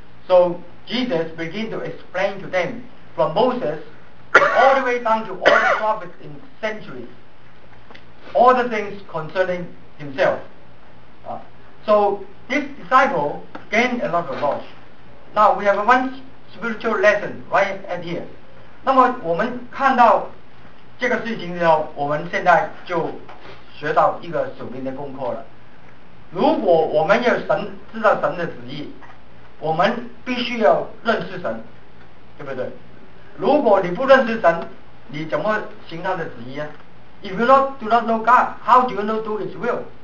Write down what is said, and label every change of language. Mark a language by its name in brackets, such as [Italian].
[English] So Jesus began to explain to them from Moses all the way down to all the prophets in centuries all the things concerning himself. So this disciple gained a lot of knowledge. Now we have one spiritual lesson right at here. [Chinese] 那么我们看到这个事情之后，我们现在就学到一个属灵的功课了。如果我们要神知道神的旨意，我们必须要认识神，对不对？如果你不认识神，你怎么行他的旨意啊？ [English] If you do not know God, how do you know do His will?